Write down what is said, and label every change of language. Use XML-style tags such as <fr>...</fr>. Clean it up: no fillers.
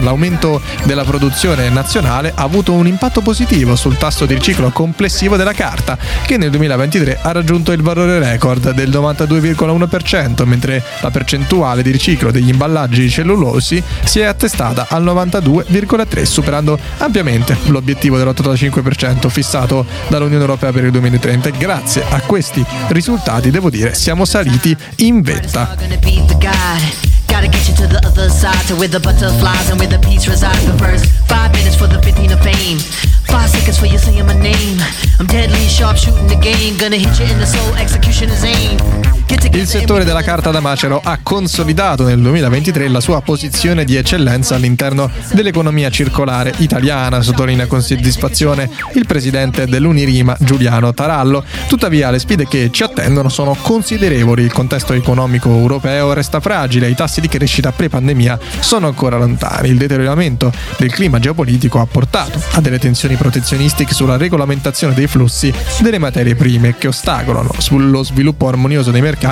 <it>L'aumento della produzione nazionale ha avuto un impatto positivo sul tasso di riciclo complessivo della carta, che nel 2023 ha raggiunto il valore record del 92,1%, mentre la percentuale di riciclo degli imballaggi cellulosi si è attestata al 92,3%, superando ampiamente l'obiettivo dell'85% fissato dall'Unione Europea per il 2030. E grazie a questi risultati, devo dire, siamo saliti in vetta.</it> <en>Gotta get you to the other side, to where the butterflies and where the peace resides. But first, 5 minutes for the 15 of fame. 5 seconds for you saying my name. I'm deadly sharp shooting the game. Gonna hit you in the soul, executioner's aim.</en> <it>Il settore della carta da macero ha consolidato nel 2023 la sua posizione di eccellenza all'interno dell'economia circolare italiana, sottolinea con soddisfazione il presidente dell'Unirima, Giuliano Tarallo. Tuttavia le sfide che ci attendono sono considerevoli, il contesto economico europeo resta fragile, i tassi di crescita pre-pandemia sono ancora lontani, il deterioramento del clima geopolitico ha portato a delle tensioni protezionistiche sulla regolamentazione dei flussi delle materie prime che ostacolano sullo sviluppo armonioso dei mercati.</it>